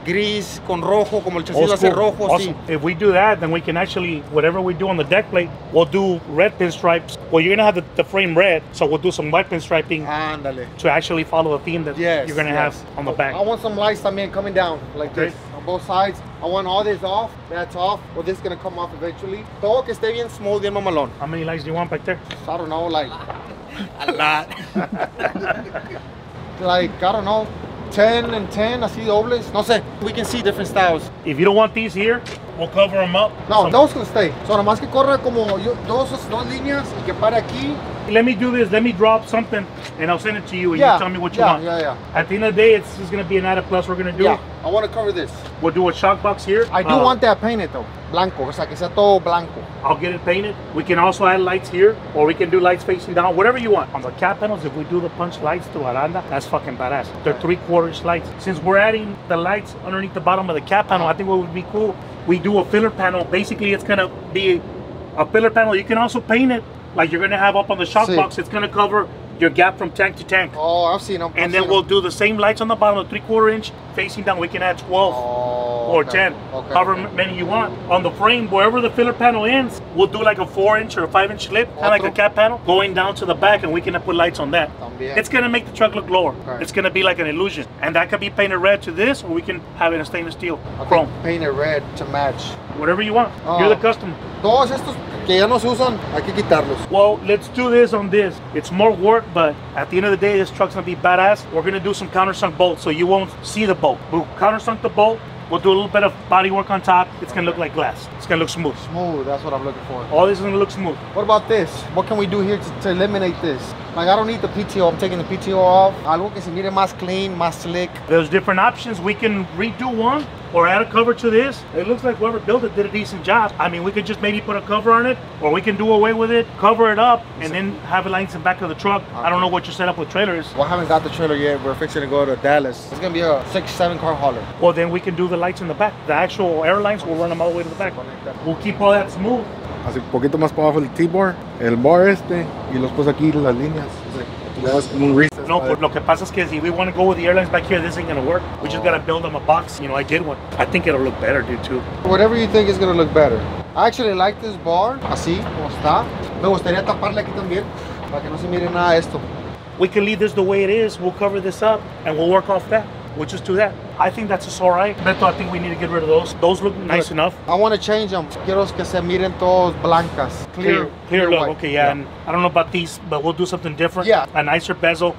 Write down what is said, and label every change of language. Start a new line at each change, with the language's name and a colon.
Spanish: Gris con rojo, como el chasis hace rojo.
English: Awesome.
Spanish: Sí.
English: If we do that, then we can actually, whatever we do on the deck plate, we'll do red pinstripes. Well, you're going to have the frame red, so we'll do some white pinstriping.
Spanish: Andale.
English: To actually follow the theme that you're going to have on the back. I want some lights también coming down like this on both sides. I want all this off. That's off. Well, this is going to come off eventually.
Spanish: Todo que esté bien smooth, bien mamalón.
English: How many lights do you want back there? I don't know, like a lot. Like, I don't know. 10 and 10,
Spanish: así dobles. No sé.
English: We can see different styles. If you don't want these here, we'll cover them up. No, those can stay.
Spanish: So nomás que corra como yo, dos líneas y que pare aquí.
English: Let me do this. Let me draw up something and I'll send it to you and you tell me what you want. Yeah. At the end of the day, it's just going to be an added plus we're going to do. Yeah, I want to cover this. We'll do a shock box here. I do want that painted though.
Spanish: Blanco. O sea, que sea todo blanco.
English: I'll get it painted. We can also add lights here or we can do lights facing down. Whatever you want. On the cap panels, if we do the punch lights to Aranda, that's fucking badass. They're 3/4 inch lights. Since we're adding the lights underneath the bottom of the cap panel, I think what would be cool, we do a filler panel. Basically, it's going to be a filler panel. You can also paint it. Like you're going to have up on the shock box, it's going to cover your gap from tank to tank. Oh, I've seen them. And then we'll do the same lights on the bottom, 3/4 inch facing down. We can add 12 or 10, however many you want. On the frame, wherever the filler panel ends, we'll do like a 4 inch or a 5 inch lip, kind of like a cap panel, going down to the back, and we can put lights on that. It's going to make the truck look lower. It's going to be like an illusion. And that could be painted red to this, or we can have it in stainless steel, chrome. Painted red to match. Whatever you want. You're the customer.
Spanish: Todos estos que ya no se usan, hay que quitarlos.
English: Well, let's do this on this. It's more work, but at the end of the day, this truck's gonna be badass. We're gonna do some countersunk bolts, so you won't see the bolt. We'll countersunk the bolt. We'll do a little bit of body work on top. It's gonna look like glass. It's gonna look smooth. Smooth, that's what I'm looking for. All this is gonna look smooth. What about this? What can we do here to eliminate this? Like, I don't need the PTO. I'm taking the PTO off.
Spanish: Algo que se mire más clean, más slick.
English: There's different options. We can redo one or add a cover to this. It looks like whoever built it did a decent job. I mean, we could just maybe put a cover on it or we can do away with it, cover it up, and then have it lined in the back of the truck. Okay. I don't know what your setup with trailers. Well, I haven't got the trailer yet. We're fixing to go to Dallas. It's going to be a 6-7 car hauler. Well, then we can do the lights in the back. The actual airlines, we'll run them all the way to the back. We'll keep all that smooth.
Spanish: Así un poquito más para abajo el T-bar, el bar este, y los puse aquí las líneas.
English: No, but
Spanish: lo que pasa es que
English: if we want to go with the airlines back here, this ain't gonna work. We just gotta build them a box. You know, I did one. I think it'll look better, dude, too. Whatever you think is gonna look better. I actually like this bar,
Spanish: así, como está. Me gustaría taparle aquí también, para que no se mire nada esto.
English: We can leave this the way it is. We'll cover this up, and we'll work off that. We'll just do that. I think that's just all right. Beto, I think we need to get rid of those. Those look nice enough. I want to change them.
Spanish: Quiero que se miren todos blancas.
English: Clear look. White. Okay, yeah. And I don't know about these, but we'll do something different. Yeah. A nicer bezel.